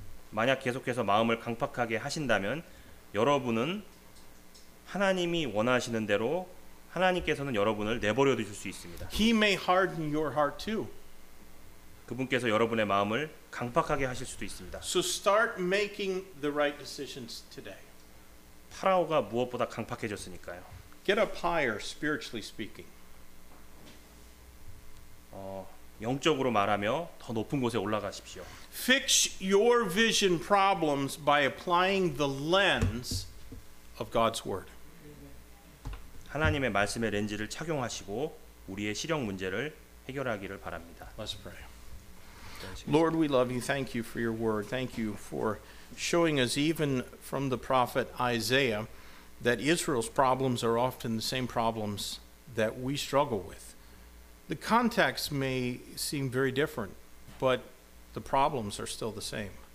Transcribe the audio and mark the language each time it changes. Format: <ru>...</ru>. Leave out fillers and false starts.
<ko>만약 계속해서 마음을 강팍하게 하신다면, 여러분은 하나님이 원하시는 대로 하나님께서는 여러분을 내버려 두실 수 있습니다.</ko> <en>He may harden your heart too.</en> <ko>그분께서 여러분의 마음을 강팍하게 하실 수도 있습니다.</ko> <en>So start making the right decisions today.</en> <ko>파라오가 무엇보다 강팍해졌으니까요.</ko> <en>Get up higher, spiritually speaking.</en> <ko>영적으로 말하며 더 높은 곳에 올라가십시오.</ko> <en>Fix your vision problems by applying the lens of God's word.</en> <ko>하나님의 말씀의 렌즈를 착용하시고 우리의 실형 문제를 해결하기를 바랍니다.</ko> <en>Let's pray. Lord, we love you. Thank you for your word. Thank you for showing us, even from the prophet Isaiah, that Israel's problems are often the same problems that we struggle with. The context may seem very different, but the problems are still the same.</en>